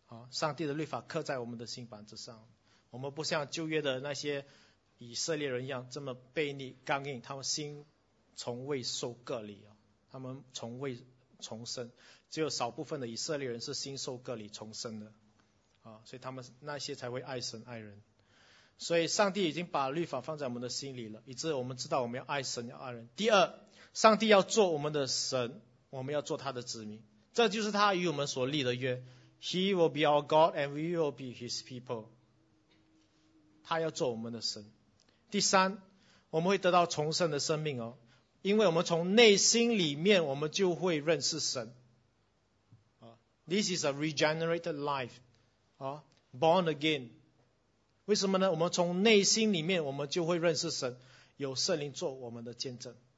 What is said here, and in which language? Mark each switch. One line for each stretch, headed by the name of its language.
Chinese: 上帝的律法刻在我们的心板之上，我们不像旧约的那些以色列人一样这么悖逆刚硬，他们心从未受割礼，他们从未重生，只有少部分的以色列人是心受割礼重生的，所以他们那些才会爱神爱人。所以上帝已经把律法放在我们的心里了，以致我们知道我们要爱神要爱人。第二，上帝要做我们的神，我们要做他的子民，这就是他与我们所立的约。
English: He will be our God and we will be his people.
Chinese: 他要做我们的神。第三，我们会得到重生的生命哦，因为我们从内心里面我们就会认识神。
English: This is a regenerated life. Born again.
Chinese: 为什么呢？我们从内心里面我们就会认识神，有圣灵做我们的见证。